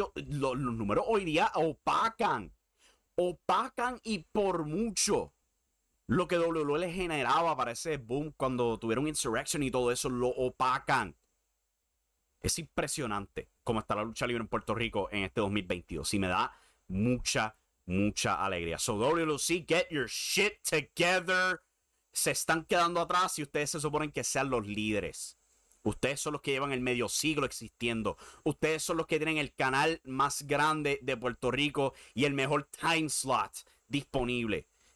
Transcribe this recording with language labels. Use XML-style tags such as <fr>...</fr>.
<es>Los números hoy día opacan. Opacan y por mucho lo que WL generaba para ese boom cuando tuvieron Insurrection y todo eso, lo opacan. Es impresionante cómo está la lucha libre en Puerto Rico en este 2022. Y me da mucha alegría.</es> <en>So WLC, get your shit together.</en> <es>Se están quedando atrás y ustedes se suponen que sean los líderes. Ustedes son los que llevan el medio siglo existiendo. Ustedes son los que tienen el canal más grande de Puerto Rico y el mejor time slot disponible.</es>